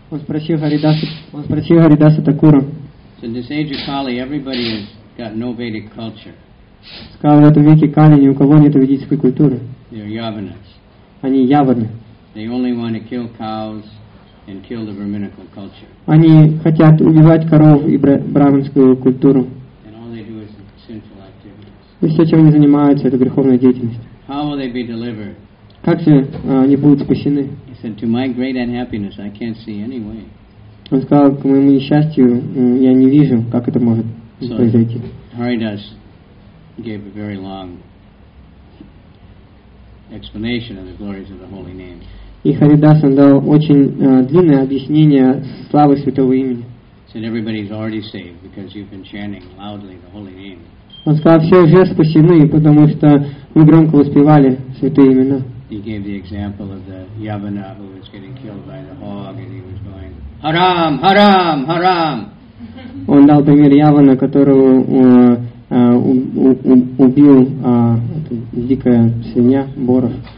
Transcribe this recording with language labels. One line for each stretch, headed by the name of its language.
Russian: Он спросил Харидаса Такура.
English: So in this age of Kali, everybody has got no Vedic culture.
Russian: Сказал, в этом веке Кали ни у кого нет ведической культуры.
English: They're yavanas.
Russian: Они яваны.
English: They only want to kill cows and kill the brahminical culture.
Russian: Они хотят убивать коров и брахманскую культуру.
English: And all they do is sinful activities.
Russian: И все, чем они занимаются, это греховная деятельность.
English: How will they be delivered?
Russian: Как же они будут спасены?
English: He said, to my great unhappiness, I can't see any way.
Russian: Он сказал, к моему несчастью, я не вижу, как это может произойти.
English: So, Haridas gave a very long explanation of the glories of the holy name.
Russian: И Харидас дал очень длинное объяснение славы святого имени.
English: Said everybody's already saved because you've been chanting loudly the holy name.
Russian: Он сказал, все уже спасены, потому что мы громко воспевали святые имена.
English: He gave the example of the yavana who was getting killed by the hog, and he was going haram, haram, haram.
Russian: Он дал пример явана, которого убил дикая свинья боров.